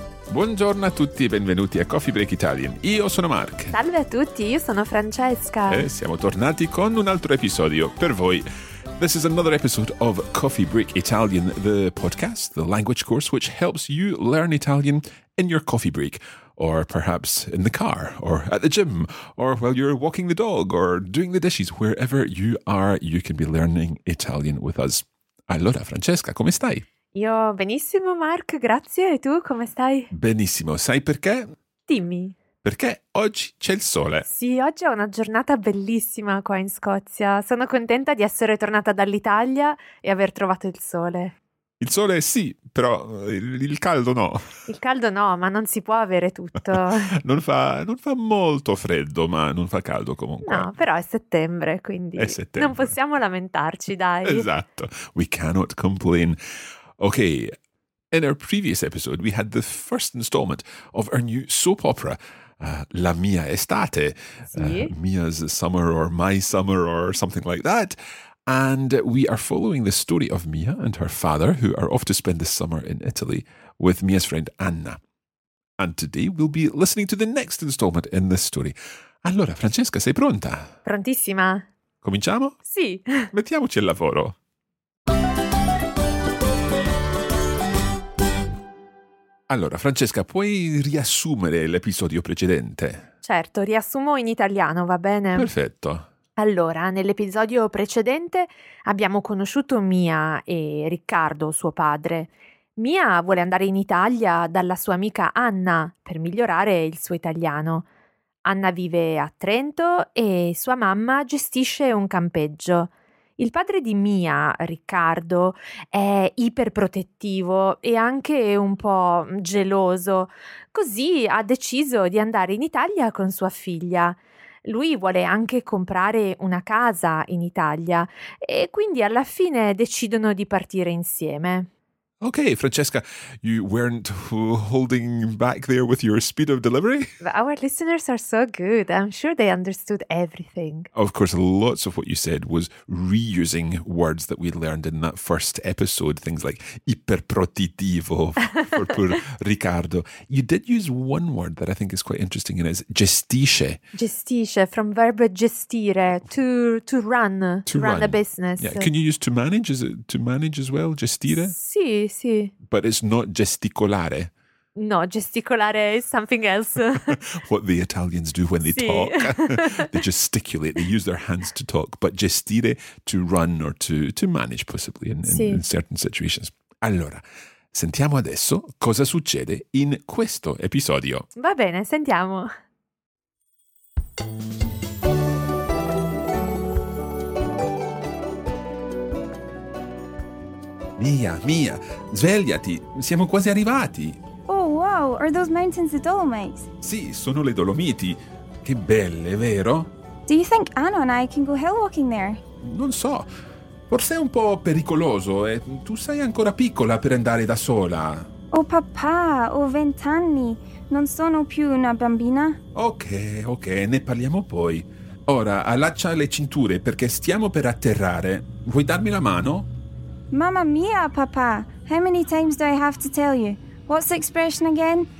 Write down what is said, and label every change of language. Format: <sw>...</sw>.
<it>Buongiorno a tutti e benvenuti a Coffee Break Italian. Io sono Mark. Salve a tutti, io sono Francesca. E siamo tornati con un altro episodio per voi.</it> <en>This is another episode of Coffee Break Italian, the podcast, the language course which helps you learn Italian in your coffee break, or perhaps in the car, or at the gym, or while you're walking the dog, or doing the dishes. Wherever you are, you can be learning Italian with us.</en> <it>Allora, Francesca, come stai? Io benissimo, Mark, grazie. E tu, come stai? Benissimo. Sai perché? Dimmi. Perché oggi c'è il sole. Sì, oggi è una giornata bellissima qua in Scozia. Sono contenta di essere tornata dall'Italia e aver trovato il sole. Il sole sì, però il caldo no. Il caldo no, ma non si può avere tutto. non fa molto freddo, ma non fa caldo comunque. No, però è settembre, quindi è settembre. Non possiamo lamentarci, dai. Esatto.</it> <en>We cannot complain. Okay, in our previous episode, we had the first installment of our new soap opera, La Mia Estate.</en> <it>Sì.</it> <en>Mia's Summer or My Summer or something like that. And we are following the story of Mia and her father, who are off to spend the summer in Italy with Mia's friend Anna. And today we'll be listening to the next installment in this story.</en> <it>Allora, Francesca, sei pronta? Prontissima. Cominciamo? Sì. Mettiamoci al lavoro. Allora, Francesca, puoi riassumere l'episodio precedente? Certo, riassumo in italiano, va bene? Perfetto. Allora, nell'episodio precedente abbiamo conosciuto Mia e Riccardo, suo padre. Mia vuole andare in Italia dalla sua amica Anna per migliorare il suo italiano. Anna vive a Trento e sua mamma gestisce un campeggio. Il padre di Mia, Riccardo, è iperprotettivo e anche un po' geloso. Così ha deciso di andare in Italia con sua figlia. Lui vuole anche comprare una casa in Italia e quindi alla fine decidono di partire insieme.</it> <en>Ok, Francesca, you weren't holding back there with your speed of delivery? Our listeners are so good. I'm sure they understood everything. Of course, lots of what you said was reusing words that we learned in that first episode. Things like iperprotettivo for poor Riccardo. You did use one word that I think is quite interesting, and it's gestisce. Gestisce, from verb gestire, to run a business. Yeah. Can you use to manage? Is it to manage as well? Gestire?</en> <it>Sì.</it> <en>But it's not gesticolare. No, gesticolare is something else. What the Italians do when they talk. They gesticulate, they use their hands to talk. But gestire, to run or to manage possibly in certain situations.</en> <it>Allora, sentiamo adesso cosa succede in questo episodio. Va bene, sentiamo. Mia, Mia, svegliati, siamo quasi arrivati.</it> <en>Oh wow, are those mountains the Dolomites?</en> <it>Sì, sono le Dolomiti. Che belle, vero?</it> <en>Do you think Anna and I can go hill walking there?</en> <it>Non so, forse è un po' pericoloso e tu sei ancora piccola per andare da sola. Oh papà, ho 20 anni, non sono più una bambina. Ok, ok, ne parliamo poi. Ora, allaccia le cinture perché stiamo per atterrare. Vuoi darmi la mano? Mamma mia, papà,</it> <en>how many times do I have to tell you? What's the expression again?</en>